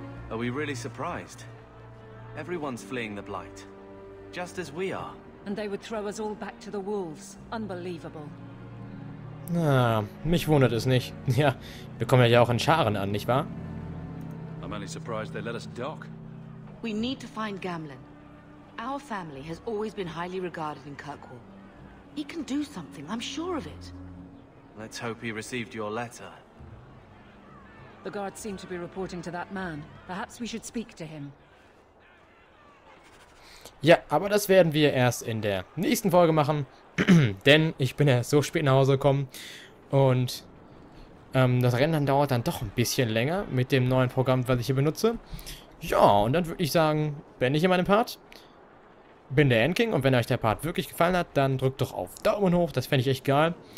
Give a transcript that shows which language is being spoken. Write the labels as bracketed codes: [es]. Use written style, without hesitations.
[en] Are we really surprised? Everyone's fleeing the Blight. Just as we are. And they would throw us all back to the wolves. Unbelievable. [de] Na, mich wundert es nicht. Ja, wir kommen ja auch in Scharen an, nicht wahr? [en] I'm only surprised they let us dock. We need to find Gamlin. Our family has always been highly regarded in Kirkwall. He can do something, I'm sure of it. Let's hope he received your letter. The guards seem to be reporting to that man. Perhaps we should speak to him. [de] Ja, aber das werden wir erst in der nächsten Folge machen. Denn ich bin ja so spät nach Hause gekommen. Und das Rendern dauert dann doch ein bisschen länger mit dem neuen Programm, was ich hier benutze. Ja, und dann würde ich sagen, beende ich hier meinen Part. Bin der Endking und wenn euch der Part wirklich gefallen hat, dann drückt doch auf Daumen hoch, das fände ich echt geil.